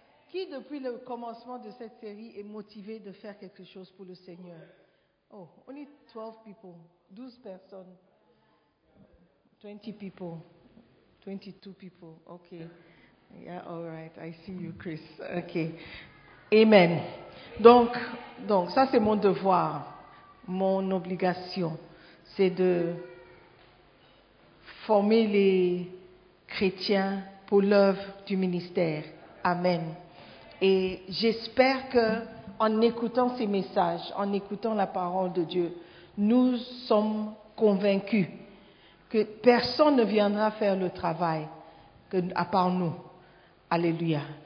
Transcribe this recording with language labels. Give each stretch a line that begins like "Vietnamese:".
French: Qui, depuis le commencement de cette série, est motivé de faire quelque chose pour le Seigneur?
English: Oh, only 12 people,
French: 12 personnes,
English: 20 people, 22 people, okay. Yeah, all right, I see you, Chris. Okay. Amen.
French: Donc, ça c'est mon devoir, mon obligation, c'est de former les chrétiens pour l'œuvre du ministère. Amen. Et j'espère que en écoutant ces messages, en écoutant la parole de Dieu, nous sommes convaincus que personne ne viendra faire le travail à part nous. Alléluia.